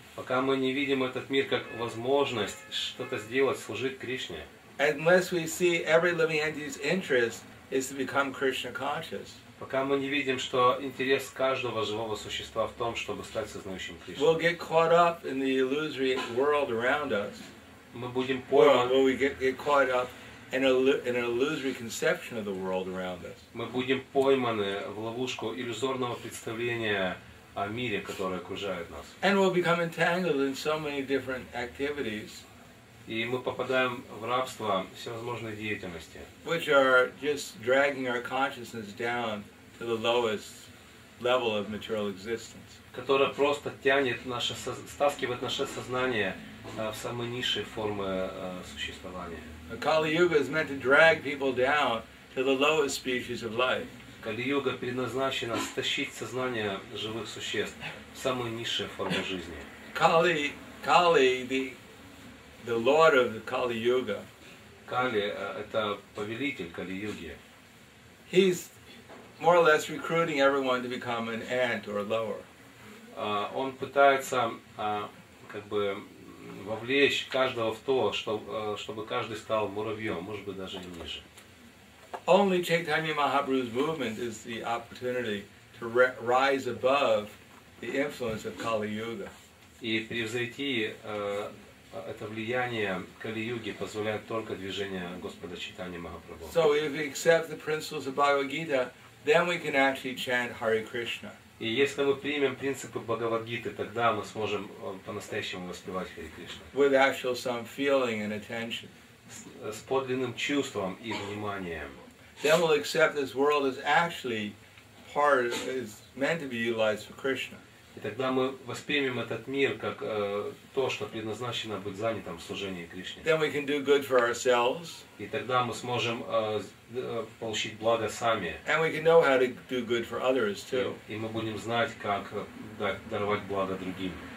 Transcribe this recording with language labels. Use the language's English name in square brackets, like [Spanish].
[Russian] Пока мы не видим этот мир как возможность что-то сделать, служить Кришне. [English] Unless we see every living entity's interest is to become Krishna conscious. [Russian] Пока мы не видим, что интерес каждого живого существа в том, чтобы стать сознающим Кришной. [English] We'll get caught up in the illusory world around us. [Russian] Мы будем пойманы. [English] Well, we get caught up in an illusory conception of the world around us. [Russian] Мы будем пойманы в ловушку иллюзорного представления о мире, который окружает нас. [English] And we'll become entangled in so many different activities. [Russian] И мы попадаем в рабство всевозможной деятельности, [English] which are just dragging our consciousness down to the lowest level of material existence. [Russian] Которая просто тянет наше стаскивает наше сознание в самые низшие формы существования. [English] A Kali-yuga is meant to drag people down to the lowest species of life. [Russian] Кали-юга предназначена стащить сознание живых существ в самые низшие формы жизни. [English] The Lord of Kali Yuga. [Russian] Kali это повелитель Kali Yugi. [English] He's more or less recruiting everyone to become an ant or lower. [Russian] Он пытается как бы вовлечь каждого в то, чтобы каждый стал муравьем, может быть даже и ниже. [English] Only Chaitanya Mahaprabhu's movement is the opportunity to rise above the influence of Kali Yuga. [Russian] И превзойти это влияние Кали-юги позволяет только движение Господа Чайтаньи Махапрабху. [English] So if we accept the principles of Bhagavad Gita, then we can actually chant Hare Krishna. [Russian] И если мы примем принципы Бхагавад Гиты, тогда мы сможем по-настоящему воспевать Хари Кришну. [English] With actual some feeling and attention. [Russian] С подлинным чувством и вниманием. [English] Then we'll accept this world as actually part is meant to be utilized for Krishna. [Russian] И тогда мы воспримем этот мир как то, что предназначено быть занятым в служении Кришне. [English] Then we can do good for ourselves. [Russian] И тогда мы сможем получить благо сами. [English] And we can know how to do good for others too. [Russian] И мы будем знать, как даровать благо другим.